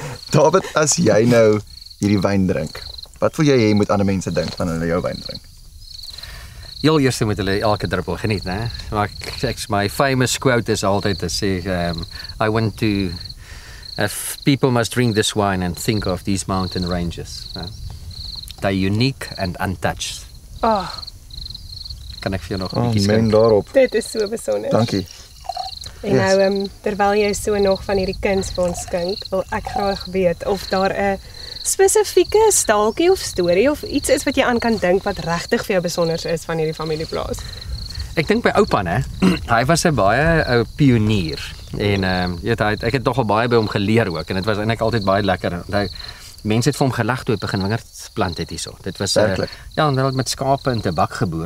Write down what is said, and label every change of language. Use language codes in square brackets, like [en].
[af] David, as jy nou hierdie wyn drink, wat wil jy moet ander mense dink van hulle jou wyn drink? Heel eerste moet hulle elke druppel geniet, né? Maar my famous quote is altyd te sê, [en] I want to if people must drink this wine and think of these mountain ranges. They're unique and untouched. Oh. [af] Kan ek vir jou nog een bietjie skink? Daarop. Dit is so besonder. Dankie. En nou, terwyl jy so nog van hierdie kuns vir ons skink, wil ek graag weet of daar 'n spesifieke staaltjie of story of iets is wat jy aan kan dink wat regtig vir jou besonder is van hierdie familieplaas. Ek dink my oupa, hè. Hy was 'n baie ou pionier. En ek het nogal baie by hom geleer ook. En het was eintlik altyd baie lekker. Mense het vir hom gelag toe hy begin wingerd plant het hierso. Dit was hy het met skape en tabak geboer.